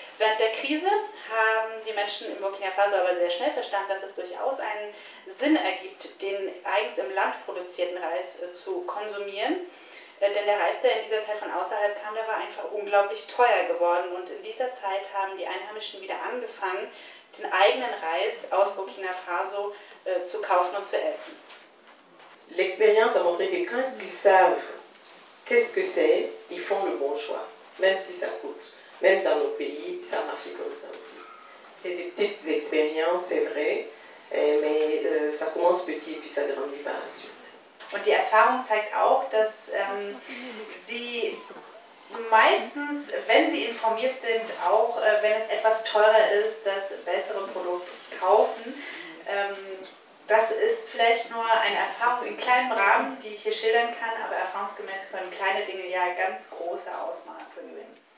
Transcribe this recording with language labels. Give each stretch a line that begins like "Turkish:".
German: Während der Krise haben die Menschen in Burkina Faso aber sehr schnell verstanden, dass es durchaus einen Sinn ergibt, den eigens im Land produzierten Reis zu konsumieren. Denn der Reis, der in dieser Zeit von außerhalb kam, der war einfach unglaublich teuer geworden. Und in dieser Zeit haben die Einheimischen wieder angefangen, den eigenen Reis aus Burkina Faso zu kaufen und zu essen.
French: L'expérience a montré que quand ils savent qu'est-ce que c'est, ils font le bon choix, même si ça coûte. Même dans nos pays, ça marche comme ça aussi. C'est des petites expériences, c'est vrai, mais ça commence petit et puis ça grandit par la suite.
German: Und die Erfahrung zeigt auch, dass sie meistens, wenn sie informiert sind, auch wenn es etwas teurer ist, das bessere Produkt kaufen. Das ist vielleicht nur eine Erfahrung in kleinem Rahmen, die ich hier schildern kann, aber erfahrungsgemäß können kleine Dinge ja ganz große Ausmaße gewinnen.